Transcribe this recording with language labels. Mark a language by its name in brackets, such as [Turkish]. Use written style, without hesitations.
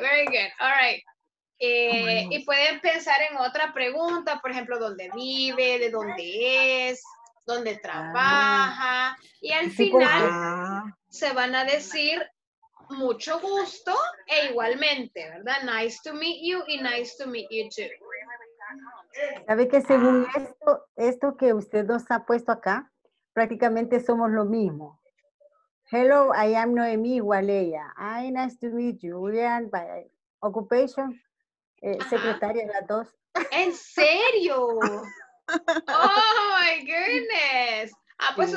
[English] Very good, all right. [Spanish] Y pueden pensar en otra pregunta, por ejemplo, dónde vive, de dónde es, dónde trabaja. Y al final se van a decir mucho gusto e igualmente, ¿verdad? [English] Nice to meet you y nice to meet you too. [Spanish] ¿Sabe que según esto que usted nos ha puesto acá, prácticamente somos lo mismo? [English] Hello, I am Noemí Gualeya. Hi, nice to meet you. [Spanish] Julian, [English] by occupation, [Spanish] secretaria de las dos. ¿En serio? [English] Oh, my goodness. [Spanish] Ah, pues sí.